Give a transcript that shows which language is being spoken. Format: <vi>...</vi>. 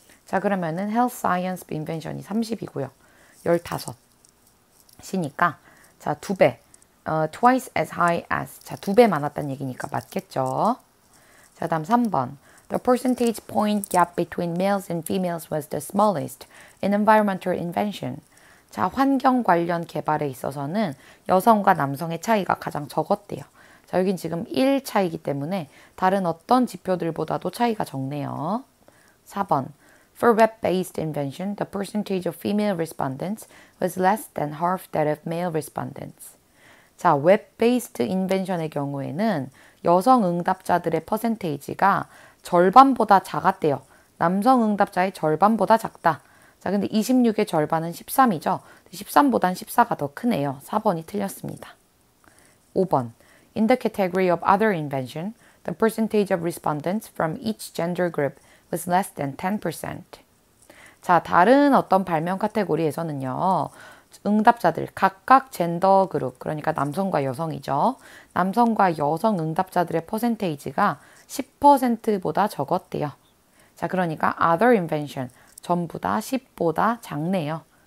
<ko>자, 그러면은 health science invention이 30이고요. 15이니까, 자, 두 배,</ko> <en>twice as high as,</en> <ko>자, 두배 많았단 얘기니까 맞겠죠? 자, 다음 3번.</ko> <en>The percentage point gap between males and females was the smallest in environmental invention.</en> <ko>자, 환경 관련 개발에 있어서는 여성과 남성의 차이가 가장 적었대요. 자, 여긴 지금 1 차이기 때문에 다른 어떤 지표들보다도 차이가 적네요. 4번.</ko> <en>For web-based invention, the percentage of female respondents was less than half that of male respondents.</en> <ko>자, web-based invention의 경우에는 여성 응답자들의 퍼센테이지가 절반보다 작았대요. 남성 응답자의 절반보다 작다. 자, 근데 26의 절반은 13이죠. 13보단 14가 더 크네요. 4번이 틀렸습니다. 5번.</ko> <en>In the category of other invention, the percentage of respondents from each gender group was less than 10%.</en> <ko>자, 다른 어떤 발명 카테고리에서는요, 응답자들, 각각 젠더 그룹, 그러니까 남성과 여성이죠. 남성과 여성 응답자들의 퍼센테이지가 10%보다 적었대요. 자, 그러니까 other invention, 전부 다 10보다 작네요.</ko>